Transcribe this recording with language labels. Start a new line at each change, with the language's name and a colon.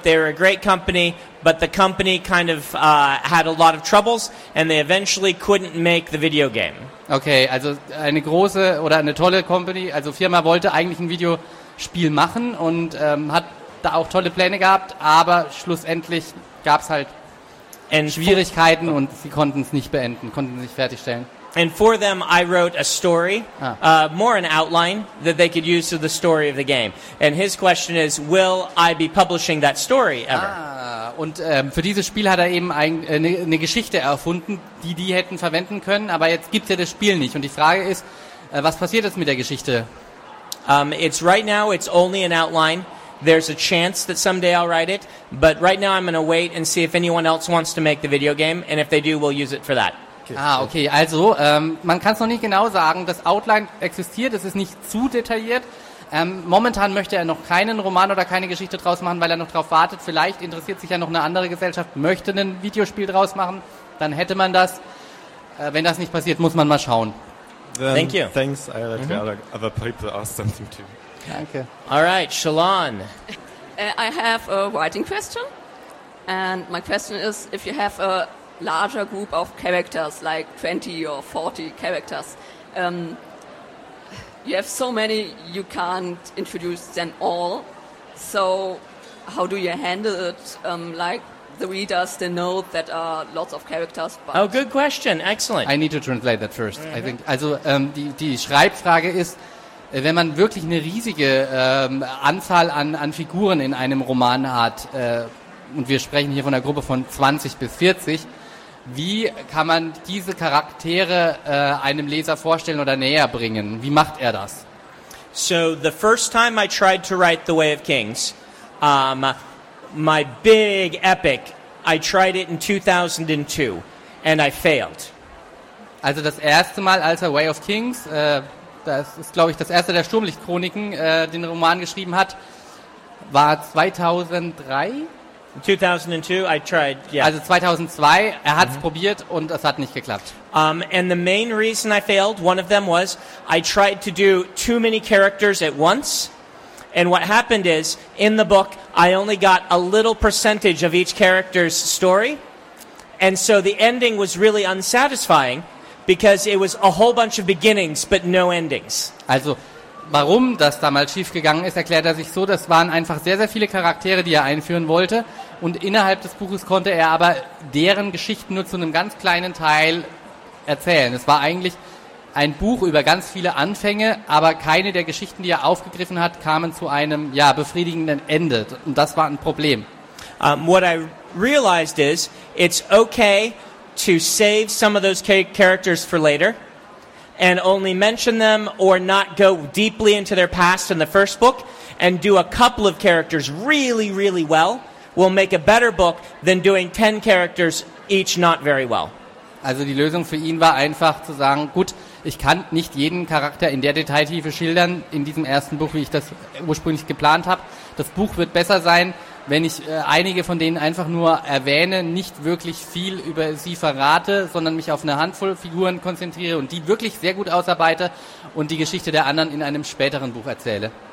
English: They were a great company, but the company kind of had a lot of troubles, and they eventually couldn't make the video game.
German: Okay, also eine große oder eine tolle Company, also Firma wollte eigentlich ein Videospiel machen und hat da auch tolle Pläne gehabt, aber schlussendlich gab es halt Schwierigkeiten und sie konnten es nicht beenden, konnten es nicht fertigstellen.
English: And for them, I wrote a story, more an outline, that they could use to the story of the game. And his question is, will I be publishing that story ever?
German: Und für dieses Spiel hat er eben eine Geschichte erfunden, die hätten verwenden können, aber jetzt gibt's ja das Spiel nicht. Und die Frage ist, was passiert jetzt mit der Geschichte?
English: It's right now, it's only an outline. There's a chance that someday I'll write it. But right now, I'm going to wait and see if anyone else wants to make the video game. And if they do, we'll use it for that.
German: Okay, also man kann es noch nicht genau sagen, das Outline existiert, es ist nicht zu detailliert. Momentan möchte er noch keinen Roman oder keine Geschichte draus machen, weil er noch drauf wartet. Vielleicht interessiert sich ja noch eine andere Gesellschaft, möchte ein Videospiel draus machen, dann hätte man das. Wenn das nicht passiert, muss man mal schauen.
English: Then, thank you. Thanks, I let other people ask something too.
German: Danke.
English: All right, Shalon. I have a writing question. And my question is, if you have a larger group of characters, like 20 or 40 characters. You have so many, you can't introduce them all. So how do you handle it? Like the readers, they know that are lots of characters. But oh, good question. Excellent. I need to translate that first. Mm-hmm. I think.
German: Also die Schreibfrage ist, wenn man wirklich eine riesige Anzahl an Figuren in einem Roman hat, und wir sprechen hier von einer Gruppe von 20 bis 40, wie kann man diese Charaktere einem Leser vorstellen oder näher bringen? Wie macht er das?
English: So the first time I tried to write The Way of Kings, my big epic, I tried it in 2002, and I failed.
German: Also das erste Mal als The Way of Kings, das ist, glaube ich, das erste der Sturmlichtchroniken, den Roman geschrieben hat, war 2003.
English: In 2002, I tried, yeah.
German: Also 2002, er hat es probiert und es hat nicht geklappt.
English: And the main reason I failed, one of them was, I tried to do too many characters at once. And what happened is, in the book, I only got a little percentage of each character's story. And so the ending was really unsatisfying, because it was a whole bunch of beginnings, but no endings.
German: Also, warum das damals schiefgegangen ist, erklärt er sich so, das waren einfach sehr, sehr viele Charaktere, die er einführen wollte und innerhalb des Buches konnte er aber deren Geschichten nur zu einem ganz kleinen Teil erzählen. Es war eigentlich ein Buch über ganz viele Anfänge, aber keine der Geschichten, die er aufgegriffen hat, kamen zu einem, ja, befriedigenden Ende und das war ein Problem.
English: What I realized is, it's okay to save some of those characters for later. And only mention them or not go deeply into their past in the first book and do a couple of characters really, really well will make a better book than doing 10 characters each not very well.
German: Also die Lösung für ihn war einfach zu sagen, gut, ich kann nicht jeden Charakter in der Detailtiefe schildern in diesem ersten Buch, wie ich das ursprünglich geplant habe. Das Buch wird besser sein, wenn ich einige von denen einfach nur erwähne, nicht wirklich viel über sie verrate, sondern mich auf eine Handvoll Figuren konzentriere und die wirklich sehr gut ausarbeite und die Geschichte der anderen in einem späteren Buch erzähle.